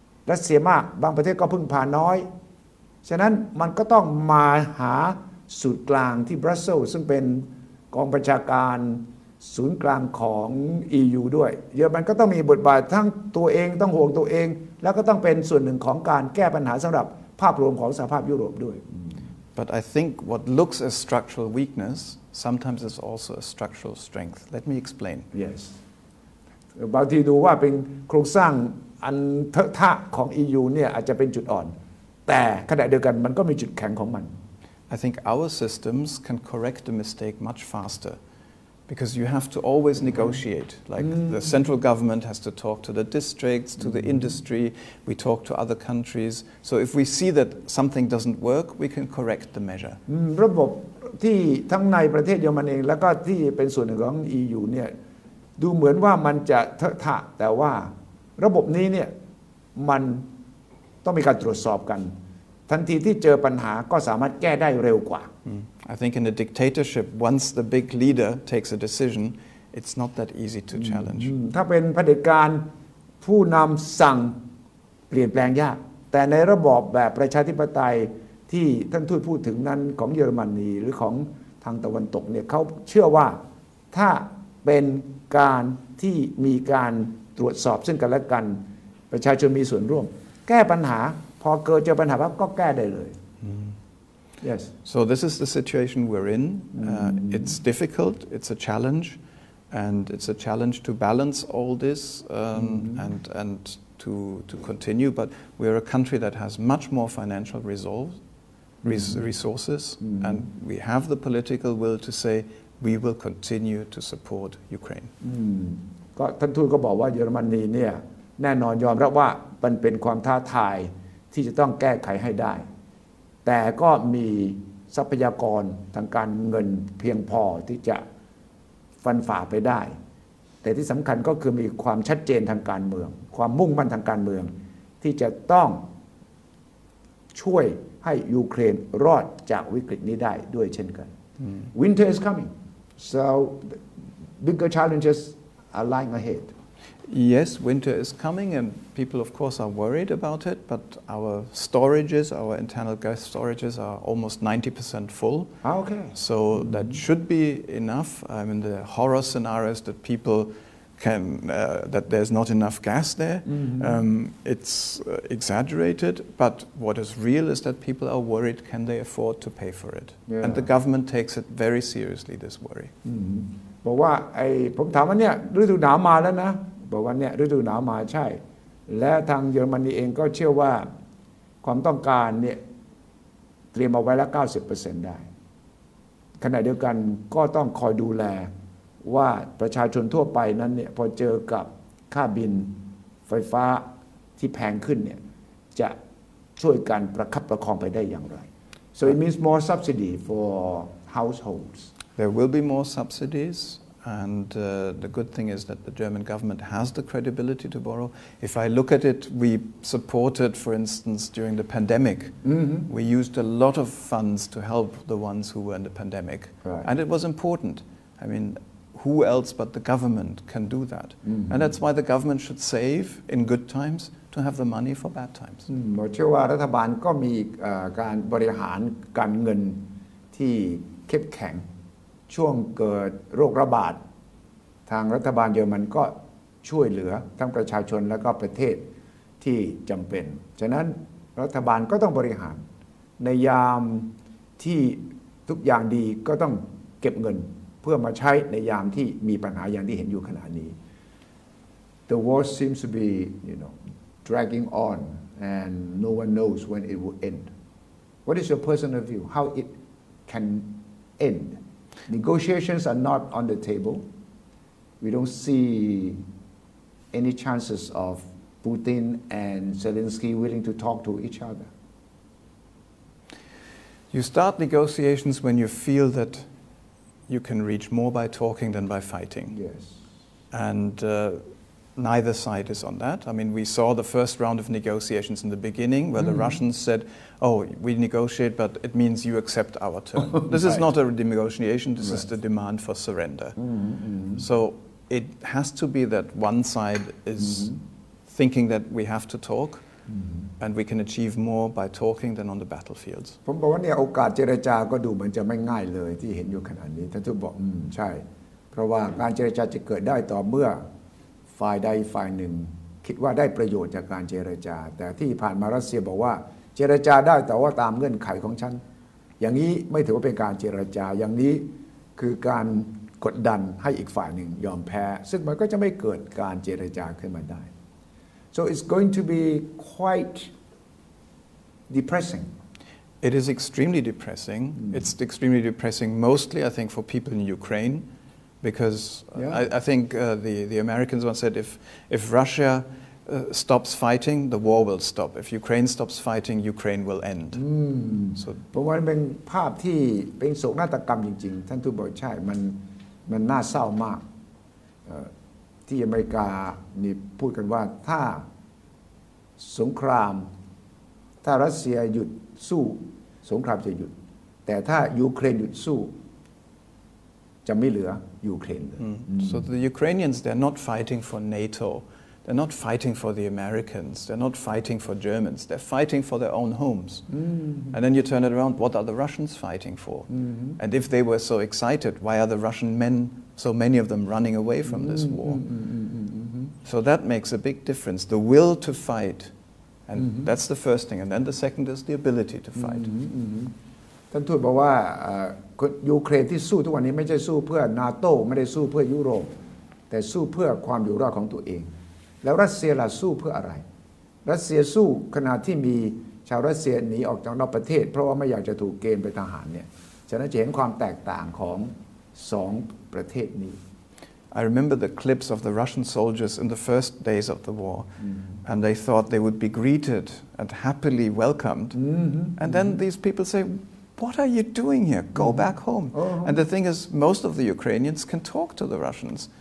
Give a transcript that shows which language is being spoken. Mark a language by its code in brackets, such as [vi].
[th] รัสเซียมากบางประเทศก็พึ่งพาน้อยฉะนั้นมันก็ต้องมาหาศูนย์กลางที่บรัสเซลส์ซึ่งเป็นกองประชาการศูนย์กลางของ EU ด้วยเยอรมันก็ต้องมีบทบาททั้งตัวเองต้องห่วงตัวเองแล้วก็ต้องเป็นส่วนหนึ่งของการแก้ปัญหาสำหรับภาพรวมของสหภาพยุโรปด้วย [en] But I think what looks as structural weakness sometimes is also a structural strength. Let me explain. Yes. [th] บางทีดูว่าเป็นโครงสร้างอันเถอะทะของ EU เนี่ยอาจจะเป็นจุดอ่อนแต่ขณะเดียวกันมันก็มีจุดแข็งของมัน [en] I think our systems can correct the mistake much fasterBecause you have to always negotiate. Like the central government has to talk to the districts, to the industry. We talk to other countries. So if we see that something doesn't work, we can correct the measure. [th] ระบบที่ทั้งในประเทศเยอรมันเองแล้วก็ที่เป็นส่วนหนึ่งของ EU เนี่ยดูเหมือนว่ามันจะเถอะทะแต่ว่า ระบบนี้เนี่ยมันต้องมีการตรวจสอบกันทันทีที่เจอปัญหาก็สามารถแก้ได้เร็วกว่า [en] I think in a dictatorship once the big leader takes a decision it's not that easy to challenge [th] ถ้าเป็นเผด็จการผู้นำสั่งเปลี่ยนแปลงยากแต่ในระบอบแบบประชาธิปไตยที่ท่านทูตพูดถึงนั้นของเยอรมนีหรือของทางตะวันตกเนี่ยเขาเชื่อว่าถ้าเป็นการที่มีการตรวจสอบซึ่งกันและกันประชาชนมีส่วนร่วมแก้ปัญหาพอเกิดเจอปัญหาปั๊บก็แก้ได้เลย [en] Yes So this is the situation we're in it's difficult it's a challenge and it's a challenge to balance all this and to continue but we're a country that has much more financial resources and we have the political will to say we will continue to support Ukraine [th] ก็ท่านทูตก็บอกว่าเยอรมนีเนี่ยแน่นอนยอมรับว่ามันเป็นความท้าทายที่จะต้องแก้ไขให้ได้แต่ก็มีทรัพยากรทางการเงินเพียงพอที่จะ ฟันฝ่าไปได้แต่ที่สำคัญก็คือมีความชัดเจนทางการเมืองความมุ่งมั่นทางการเมืองที่จะต้องช่วยให้ยูเครนรอดจากวิกฤตนี้ได้ด้วยเช่นกัน [en] Winter is coming so bigger challenges are lying ahead Yes, winter is coming, and people, of course, are worried about it. But our storages, our internal gas storages, are almost 90% full. Okay. So that should be enough. I mean, the horror scenarios that people can that there's not enough gas there. It's exaggerated. But what is real is that people are worried. Can they afford to pay for it? Yeah. And the government takes it very seriously. This worry. [th] บอกว่าไอ้ผมถามว่าเนี่ยฤดูหนาวมาแล้วนะบอกว่าเนี่ยฤดูหนาวมาใช่และทางเยอรมนีเองก็เชื่อว่าความต้องการเนี่ยเตรียมเอาไว้แล้ว 90% ได้ขณะเดียวกันก็ต้องคอยดูแลว่าประชาชนทั่วไปนั้นเนี่ยพอเจอกับค่าบินไฟฟ้าที่แพงขึ้นเนี่ยจะช่วยกันประคับประคองไปได้อย่างไร [en] So it means more subsidy for households There will be more subsidiesAnd the good thing is that the German government has the credibility to borrow. If I look at it, we supported, for instance, during the pandemic. We used a lot of funds to help the ones who were in the pandemic. Right. And it was important. I mean, who else but the government can do that? And that's why the government should save in good times to have the money for bad times. I believe that the government also has a management of money that is strong. [th] ช่วงเกิดโรคระบาดทางรัฐบาลเยอรมันก็ช่วยเหลือทั้งประชาชนและก็ประเทศที่จำเป็นฉะนั้นรัฐบาลก็ต้องบริหารในยาม ที่ทุกอย่างดีก็ต้องเก็บเงินเพื่อมาใช้ในยามที่มีปัญหาอย่างที่เห็นอยู่ขณะนี้ [en] The war seems to be you know dragging on and no one knows when it will end What is your personal view how it can endNegotiations are not on the table. We don't see any chances of Putin and Zelensky willing to talk to each other. You start negotiations when you feel that you can reach more by talking than by fighting. Yes. And neither side is on that. I mean, we saw the first round of negotiations in the beginning where the Russians said,Oh, we negotiate, but it means you accept our term. This is not a negotiation. This is the demand for surrender. So it has to be that one side is thinking that we have to talk, and we can achieve more by talking than on the battlefields. [th] ผมบอกว่าเนี่ยโอกาสเจรจาก็ดูเหมือนจะไม่ง่ายเลยที่เห็นอยู่ขณะนี้ท่านทูตบอกใช่เพราะว่าการเจรจาจะเกิดได้ต่อเมื่อฝ่ายใดฝ่ายหนึ่งคิดว่าได้ประโยชน์จากการเจรจาแต่ที่ผ่านมารัสเซียบอกว่าเจรจาได้แต่ว่าตามเงื่อนไขของฉันอย่างนี้ไม่ถือว่าเป็นการเจรจาอย่างนี้คือการกดดันให้อีกฝ่ายหนึ่งยอมแพ้ซึ่งมันก็จะไม่เกิดการเจรจาขึ้นมาได้ [en] So it's going to be quite depressing It is extremely depressing It's extremely depressing mostly I think for people in Ukraine because I think the Americans once said if RussiaStops fighting, the war will stop. If Ukraine stops fighting, Ukraine will end. [th] So, เพราะว่าเป็นภาพที่เป็นโศกนาฏกรรมจริงๆท่านทูตบอกใช่มันน่าเศร้ามาก ที่อเมริกานี่พูดกันว่าถ้าสงครามถ้ารัสเซียหยุดสู้สงครามจะหยุดแต่ถ้ายูเครนหยุดสู้จะไม่เหลือยูเครน [en] so the Ukrainians they're not fighting for NATO they're not fighting for the Americans they're not fighting for Germans they're fighting for their own homes and then you turn it around what are the Russians fighting for and if they were so excited why are the Russian men so many of them running away from this war so that makes a big difference the will to fightAnd that's the first thing. And then the second is the ability to fight. [th] ท่านทูตบอกว่ายูเครนที่สู้ทุกวันนี้ไม่ใช่สู้เพื่อ NATO ไม่ได้สู้เพื่อยุโรปแต่สู้เพื่อความอยู่รอดของตัวเองแล้วรัสเซียล่ะสู้เพื่ออะไรรัสเซียสู้ขณะที่มีชาวรัสเซียหนีออกจากนอกประเทศเพราะว่าไม่อยากจะถูกเกณฑ์ไปทหารเนี่ยฉะนั้นจะเห็นความแตกต่างของสองประเทศนี้ [en] I remember the clips of the Russian soldiers in the first days of the war, and they thought they would be greeted and happily welcomed. And then these people say, "What are you doing here? Go back home." And the thing is, most of the Ukrainians can talk to the Russians.